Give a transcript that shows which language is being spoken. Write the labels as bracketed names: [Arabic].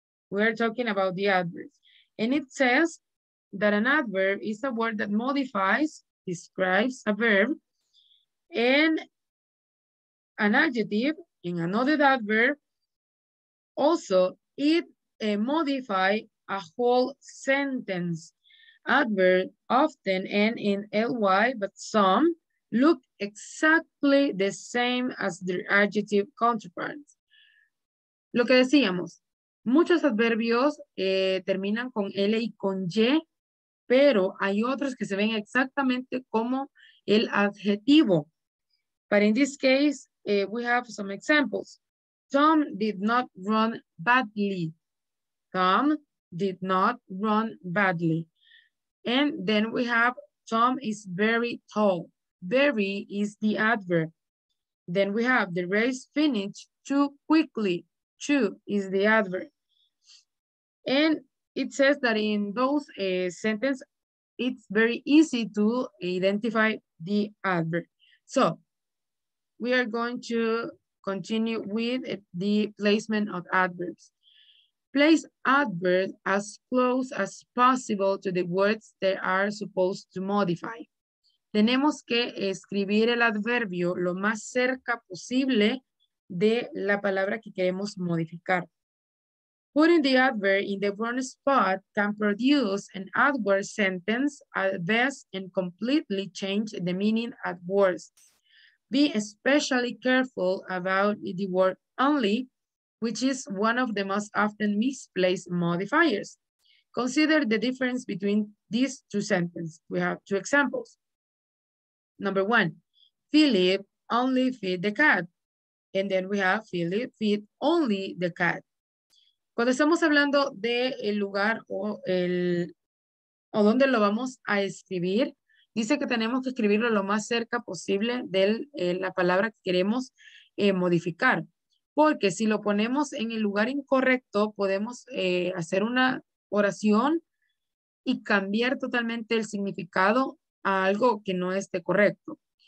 [English] We are talking about the adverbs. And it says that an adverb is a word that modifies, describes a verb, and an adjective in another adverb. Also, it modifies a whole sentence. Adverbs often end in ly, but some look exactly the same as their adjective counterparts. [Spanish] Lo que decíamos, muchos adverbios terminan con L y con Y, pero hay otros que se ven exactamente como el adjetivo. [English] But in this case, we have some examples. Tom did not run badly. Tom did not run badly. And then we have Tom is very tall. Very is the adverb. Then we have the race finished too quickly. Too is the adverb. And it says that in those sentences, it's very easy to identify the adverb. So we are going to continue with the placement of adverbs. Place adverbs as close as possible to the words they are supposed to modify. [Spanish] Tenemos que escribir el adverbio lo más cerca posible de la palabra que queremos modificar. [English] Putting the adverb in the wrong spot can produce an adverb sentence at best and completely change the meaning at worst. Be especially careful about the word only, which is one of the most often misplaced modifiers. Consider the difference between these two sentences. We have two examples. Number one, Philip only feed the cat. And then we have Philip feed only the cat. [Spanish] Cuando estamos hablando de el lugar o el o donde lo vamos a escribir, dice que tenemos que escribirlo lo más cerca posible de la palabra que queremos modificar. Porque si lo ponemos en el lugar incorrecto, podemos hacer una oración y cambiar totalmente el significado a algo que no esté correcto.